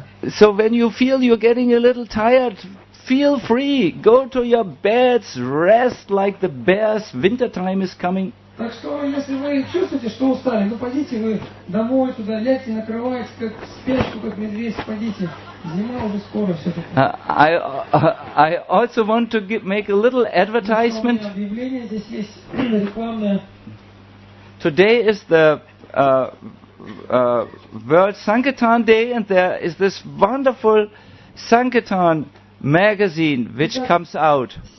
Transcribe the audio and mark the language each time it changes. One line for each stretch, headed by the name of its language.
English: So when you feel you're getting a little tired, feel free, go to your beds, rest like the bears, winter time is coming.
Russian: Так что, если вы чувствуете, что устали, ну пойдите вы домой туда, лягте, накрывайтесь, как спешку, как медведь, пойдите. Зима уже скоро все-таки.
English: I also want to make a little advertisement.
Russian: Объявление здесь есть, рекламное.
English: Today is the World Sankirtan Day, and there is this wonderful Sankirtan magazine which comes out.